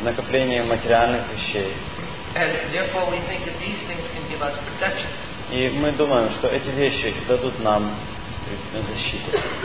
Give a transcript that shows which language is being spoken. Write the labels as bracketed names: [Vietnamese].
[Russian] В накоплении материальных вещей. [English] And therefore we think that these things can give us protection. [Russian] И мы думаем, что эти вещи дадут нам защиту.